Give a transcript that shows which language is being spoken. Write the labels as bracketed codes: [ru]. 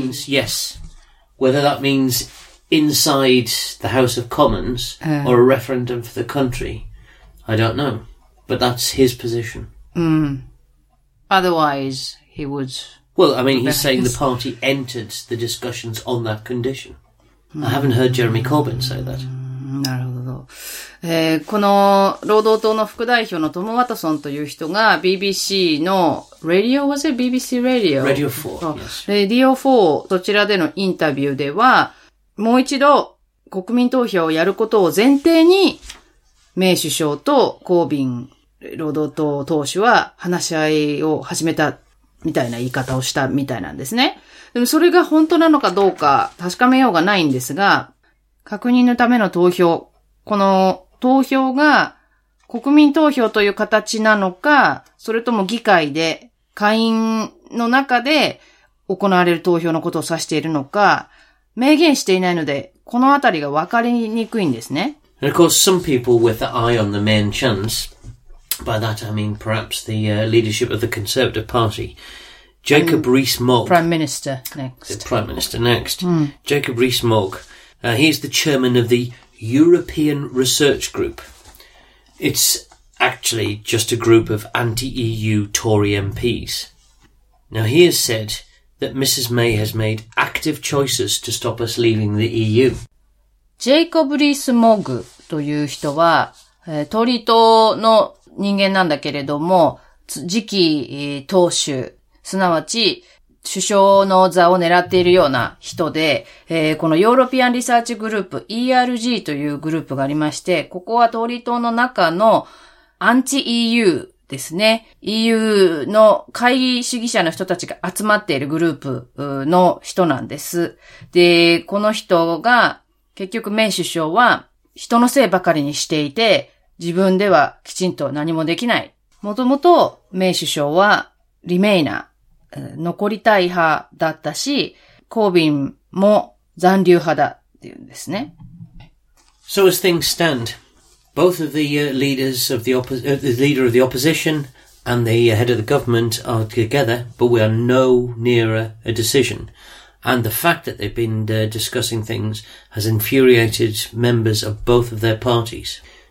[en] Means yes, whether that means inside the House of Commons or a referendum for the country, I don't know. But that's his position. Mm. Otherwise, he would. Well, I mean, he's saying the party entered the discussions on that condition. I haven't heard Jeremy Corbyn say that. [ja] なるほど。この労働党の副代表のトム・ワトソンという人が BBC のラディオ、 [en] was it BBC Radio? Radio 4. [ja] Radio 4、そちらでのインタビューでは、もう一度国民投票をやることを前提に、メイ首相とコービン労働党党首は話し合いを始めたみたいな言い方をしたみたいなんですね。でもそれが本当なのかどうか確かめようがないんですが、確認のための投票。この投票が国民投票という形なのか、それとも議会で、下院の中で行われる投票のことを指しているのか、明言していないので、このあたりが分かりにくいんですね。 [en] And of course, some people with the eye on the main chance, by that I mean perhaps the leadership of the Conservative Party, Jacob Rees-Mogg. Prime Minister next. The Prime Minister next. Mm. Jacob Rees-Mogg. He is the chairman of the European Research Group. It's actually just a group of anti-EU Tory MPs. Now, he has said that Mrs. May has made active choices to stop us leaving the EU. [ja] ジェイコブ・リース・モグという人は、トリ党の人間なんだけれども、次期党首、すなわち、首相の座を狙っているような人で、このヨーロピアンリサーチグループ ERG というグループがありまして、ここは党利党の中のアンチ EU ですね。 EU の会議主義者の人たちが集まっているグループの人なんです。で、この人が結局メイ首相は人のせいばかりにしていて、自分ではきちんと何もできない。もともとメイ首相はリメイナー。残りたい派だったし、コービンも残留派だっていうんですね。 [en] So as things stand, both of the leaders of the the leader of the opposition and the head of the government are together, but we are no nearer a decision. And the fact that they've been discussing things has infuriated members of both of their parties.